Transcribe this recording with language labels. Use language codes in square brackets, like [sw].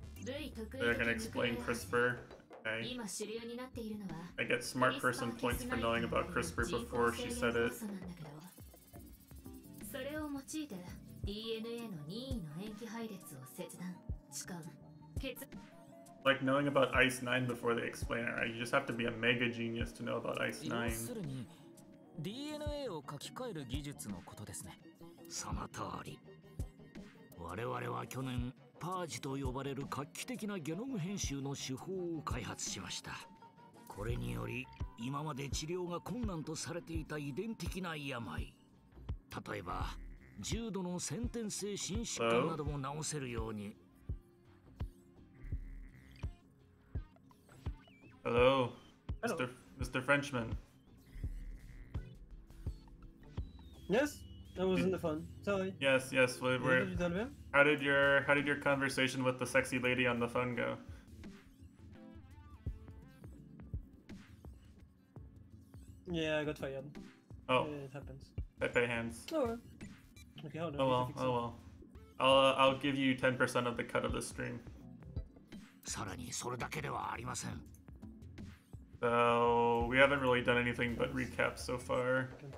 [en] They're gonna explain CRISPR. Okay. I get smart person points for knowing about CRISPR before she said it. [ja] それを用いて DNA の任意の塩基配列を切断、置換、結合。 [en] Like knowing about Ice Nine before they explain it, right? You just have to be a mega genius to know about Ice Nine. [ja] 要するに DNA を書き換える技術のことですね。その通り。我々は去年パージと呼ばれる画期的なゲノム編集の手法を開発しました。これにより、今まで治療が困難とされていた遺伝的な病、例えば重度の先天性心疾患なども治せるように。 [en] Hello, Mr. Frenchman. Yes, I was in the phone. Sorry. Yes, yes. How did your conversation with the sexy lady on the phone go? Yeah, I got fired. Oh, it happens. Pepe hands. Oh, well. Okay, hold on. Oh well. I'll give you 10% of the cut of the stream. [ja] さらにそれだけではありません。 [en] So, we haven't really done anything but recap so far.